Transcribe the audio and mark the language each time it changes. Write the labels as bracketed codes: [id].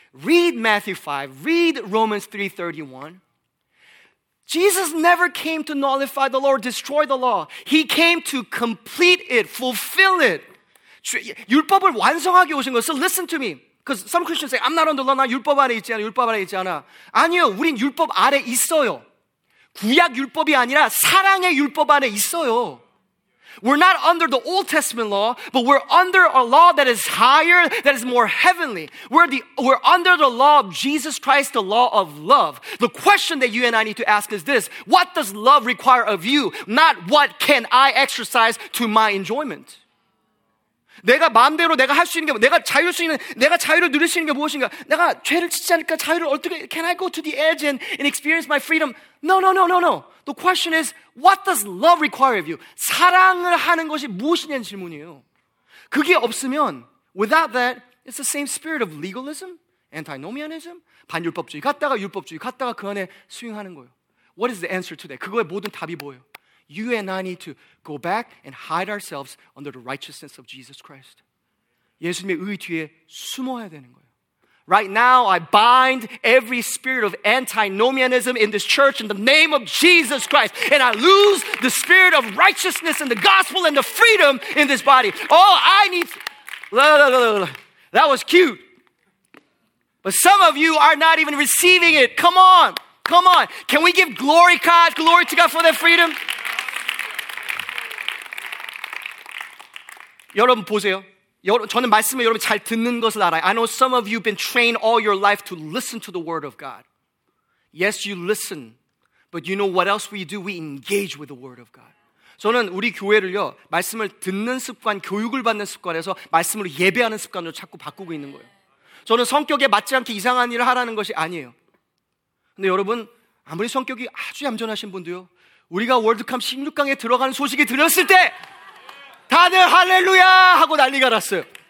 [en] Read Matthew 5. Read Romans 3:31. Jesus never came to nullify the law or destroy the law. He came to complete it, fulfill it. [ko] 율법을 완성하게 오신 거예요. [en] So listen to me. Because some Christians say, I'm not under law. [ko] 나 율법 아래 있지 않아. 율법 아래 있지 않아. 아니요. 우린 율법 아래 있어요. 구약 율법이 아니라 사랑의 율법 아래 있어요. [en] We're not under the Old Testament law, but we're under a law that is higher, that is more heavenly. We're under the law of Jesus Christ, the law of love. The question that you and I need to ask is this. What does love require of you? Not what can I exercise to my enjoyment? [ko] 내가 마음대로 내가 할 수 있는 게, 내가 자유할 수 있는, 내가 자유를 누릴 수 있는 게 무엇인가? 내가 죄를 짓지 않을까? 자유를 어떻게, [en] can I go to the edge and experience my freedom? No. The question is, what does love require of you? [ko] 사랑을 하는 것이 무엇이냐는 질문이에요. 그게 없으면, [en] without that, it's the same spirit of legalism, antinomianism, [ko] 반율법주의 갔다가 율법주의 갔다가 그 안에 수용하는 거예요. [en] What is the answer to that? [ko] 그거의 모든 답이 뭐예요? [en] You and I need to go back and hide ourselves under the righteousness of Jesus Christ. [ko] 예수님의 의 뒤에 숨어야 되는 거예요. [en] Right now, I bind every spirit of antinomianism in this church in the name of Jesus Christ. And I lose the spirit of righteousness and the gospel and the freedom in this body. All I need... That was cute. But some of you are not even receiving it. Come on. Come on. Can we give glory, God, glory to God for that freedom? [ko] 여러분 보세요. 저는 말씀을 여러분 잘 듣는 것을 알아요. [en] I know some of you have been trained all your life to listen to the word of God. Yes, you listen. But you know what else we do? We engage with the word of God. [ko] 저는 우리 교회를요, 말씀을 듣는 습관, 교육을 받는 습관에서 말씀으로 예배하는 습관으로 자꾸 바꾸고 있는 거예요. 저는 성격에 맞지 않게 이상한 일을 하라는 것이 아니에요. 근데 여러분, 아무리 성격이 아주 얌전하신 분도요, 우리가 월드컵 16강에 들어가는 소식이 들었을 때 다들 할렐루야 하고 난리가 났어요.